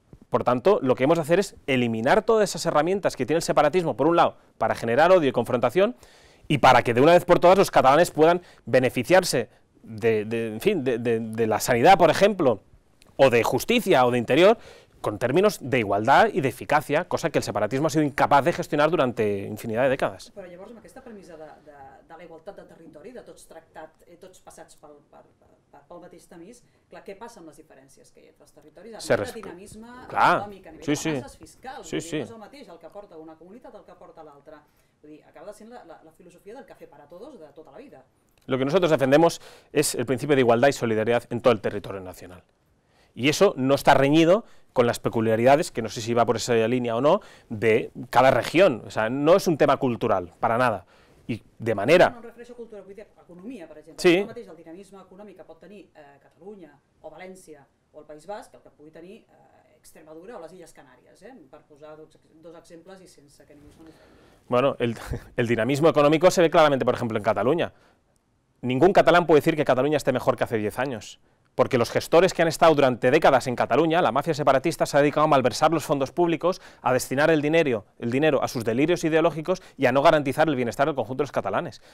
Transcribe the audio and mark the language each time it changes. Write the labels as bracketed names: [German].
[Spanish] Por tanto, lo que hemos de hacer es eliminar todas esas herramientas que tiene el separatismo, por un lado, para generar odio y confrontación, y para que de una vez por todas los catalanes puedan beneficiarse de la sanidad, por ejemplo, o de justicia o de interior, con términos de igualdad y de eficacia, cosa que el separatismo ha sido incapaz de gestionar durante infinidad de décadas. [Catalan] Però llavors, amb aquesta premissa de la igualtat de territori, de tots tractat, tots passats pel mateix tamís, clar, què passa amb les diferències que hi ha entre els territoris? A nivell de dinamisme econòmic, a nivell de masses fiscals, sí. És el mateix el que porta una comunitat el que porta l'altra. Vull dir, acaba sent la filosofia del [Spanish] café para todos [Catalan] de tota la vida. [Spanish] Lo que nosotros defendemos es el principio de igualdad y solidaridad en todo el territorio nacional. Y eso no está reñido con las peculiaridades, que no sé si va por esa línea o no, de cada región. O sea, no es un tema cultural, para nada. Y de manera... [Catalan] No, no em refereixo a cultura, vull dir, economia, per exemple. Sí. El mateix, el dinamisme econòmic que pot tenir Catalunya, o València, o el País Basc, el que pugui tenir Extremadura o les Illes Canàries, per posar dos exemples i sense que ningú... [Spanish] Bueno, el dinamismo económico se ve claramente, por ejemplo, en Cataluña. Ningún catalán puede decir que Cataluña esté mejor que hace 10 años, porque los gestores que han estado durante décadas en Cataluña, la mafia separatista, se ha dedicado a malversar los fondos públicos, a destinar el dinero a sus delirios ideológicos y a no garantizar el bienestar del conjunto de los catalanes.